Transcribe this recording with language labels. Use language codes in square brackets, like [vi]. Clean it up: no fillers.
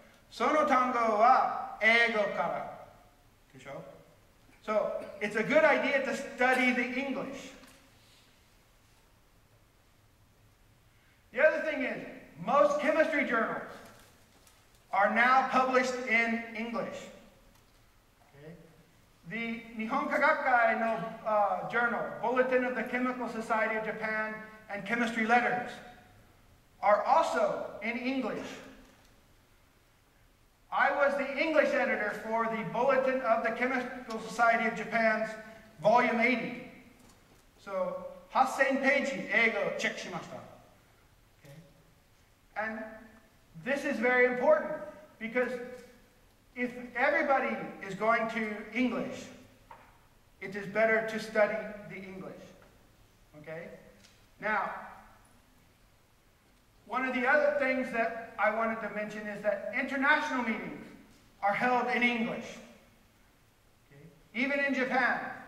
[ja] その単語は英語からでしょ? [en] So it's a good idea to study the English. The other thing is, most chemistry journals are now published in English. Okay. The Nihon Kagakkai no journal, Bulletin of the Chemical Society of Japan and Chemistry Letters, are also in English. I was the English editor for the Bulletin of the Chemical Society of Japan's Volume 80. [ja] So, 8000ページ英語をチェックしました. [en] Okay. And this is very important, because if everybody is going to English, it is better to study the English. Okay? Now, one of the other things that I wanted to mention is that international meetings are held in English. Okay. Even in Japan.